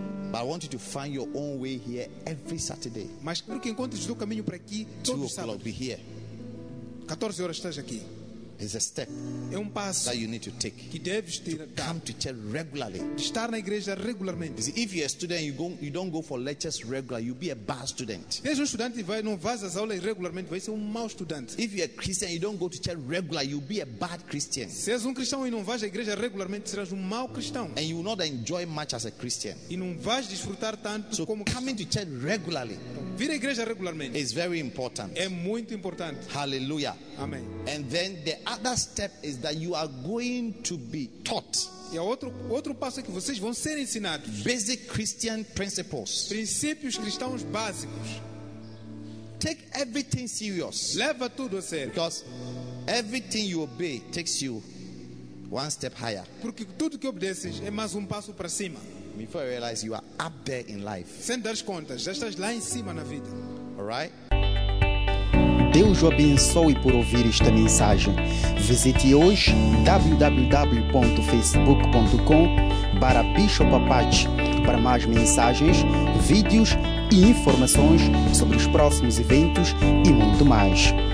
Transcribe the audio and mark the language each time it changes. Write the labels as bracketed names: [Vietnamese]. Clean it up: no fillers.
[English] But I want you to find your own way here every Saturday. [Portuguese] Mas quero que encontres o caminho para aqui todos os sábados. [English] Be here. [Portuguese] 14 horas estás aqui. [English] It's a step. [Portuguese] É um passo [English] that you need to take. [Portuguese] Que deves ter. [English] To come to church regularly. [Portuguese] De estar na igreja regularmente. [English] See, if you're a student, you don't go for lectures regularly, you'll be a bad student. [Portuguese] Se és estudante vai não vais às aulas regularmente, vai ser mau estudante. [English] If you're a Christian, you don't go to church regularly, you'll be a bad Christian. [Portuguese] Se és cristão e não vais à igreja regularmente, serás mau cristão. [English] And you will not enjoy much as a Christian. [Portuguese] E não vais desfrutar tanto [English] so [Portuguese] como [English] coming to church regularly. [Portuguese] Vir à igreja regularmente. [English] It's very important. [Portuguese] É muito importante. [English] Hallelujah. [Portuguese] Amém. [English] And then the other step is that you are going to be taught. [Portuguese] E outro passo é que vocês vão ser ensinados. [English] Basic Christian principles. [Portuguese] Princípios cristãos básicos. [English] Take everything serious. [Portuguese] Leva tudo a sério. [English] Because everything you obey takes you one step higher. [Portuguese] Porque tudo que obedeces é mais passo para cima. [English] Before you realize you are up there in life. [Portuguese] Sem dar contas, já estás lá em cima na vida. [English] All right? [Portuguese] Deus o abençoe por ouvir esta mensagem. Visite hoje www.facebook.com/bishopapache para mais mensagens, vídeos e informações sobre os próximos eventos e muito mais.